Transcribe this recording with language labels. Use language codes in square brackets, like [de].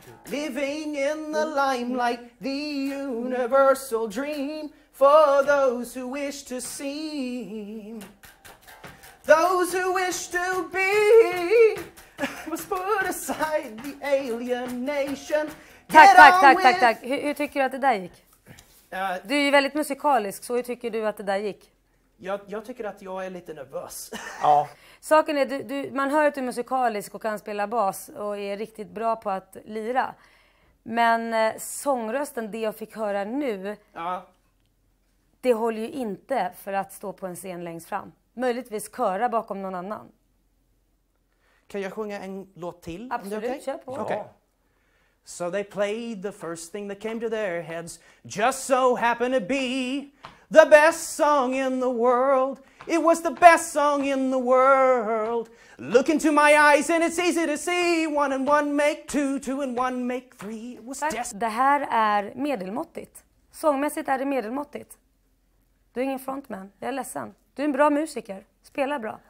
[en] Living in the limelight, the universal dream, for those who wish to seem, those who wish to be, must put aside the alienation. [sv] Tack, tack, tack, tack, tack. Hur tycker du att det där gick? Du är ju väldigt musikalisk, så hur tycker du att det där gick? Jag tycker att jag är lite nervös. Ja. Saken är, man hör att du är musikalisk och kan spela bas och är riktigt bra på att lira. Men sångrösten, det jag fick höra nu, ja, det håller ju inte för att stå på en scen längst fram. Möjligtvis köra bakom någon annan. Kan jag sjunga en låt till? Absolut, okay? Kör på. Ja. Okay. [en] So they played the first thing that came to their heads, just so happened to be the best song in the world. It was the best song in the world. Look into my eyes and it's easy to see. One and one make two, two and one make three. It was [sv] Det här är medelmåttigt. Sångmässigt är det medelmåttigt. Du är ingen frontman, jag är ledsen. Du är en bra musiker, spelar bra.